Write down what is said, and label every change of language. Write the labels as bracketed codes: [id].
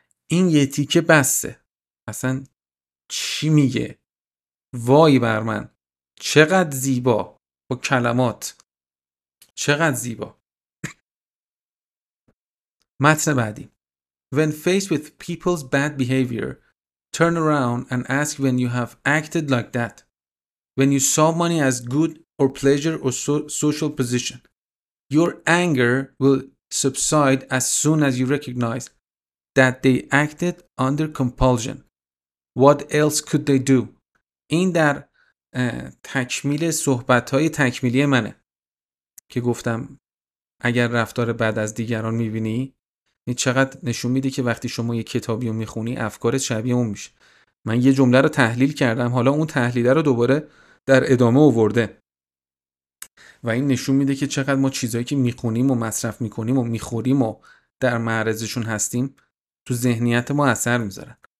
[fa] این یه تیکه بسه، اصلا چی میگه؟ وای بر من، چقدر زیبا با کلمات، چقدر زیبا. متن بعدی: [en] When faced with people's bad behavior, turn around and ask when you have acted like that. When you saw money as good or pleasure or social position, your anger will subside as soon as you recognize that they acted under compulsion. What else could they do? [fa] این در تکمیل صحبت‌های تکمیلی منه که گفتم اگر رفتار بد از دیگران می‌بینی، این چقدر نشون میده که وقتی شما یه کتابی رو میخونی افکارت شبیه اون میشه. من یه جمله رو تحلیل کردم، حالا اون تحلیل رو دوباره در ادامه آورده و این نشون میده که چقدر ما چیزایی که میخونیم و مصرف میکنیم و میخوریم و در معرضشون هستیم تو ذهنیت ما اثر میذارن.